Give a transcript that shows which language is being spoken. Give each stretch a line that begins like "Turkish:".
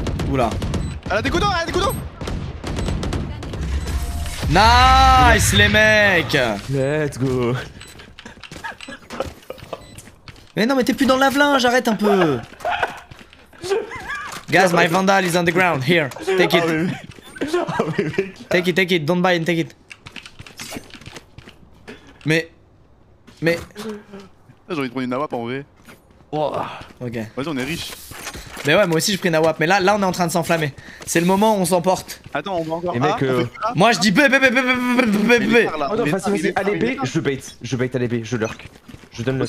French: Oula. Elle a des couteaux, elle a des couteaux. Nice les mecs.
English: Let's go.
French: Mais non, mais t'es plus dans le lave-linge, arrête un peu.
English: Guys, my vandal is on the ground, here, take it. Take it, take it, don't buy and take it.
French: Mais... J'ai envie de prendre une nawap en vrai. Oh. Ok. Vas-y, on est riche. Mais ouais, moi aussi j'ai pris une nawap, mais là, on est en train de s'enflammer. C'est le moment où on s'emporte. Attends, on va encore A. Moi je dis B, B, B, B, B, B, B, B, B. Allez B, je bait, allez B, je lurk. Je donne le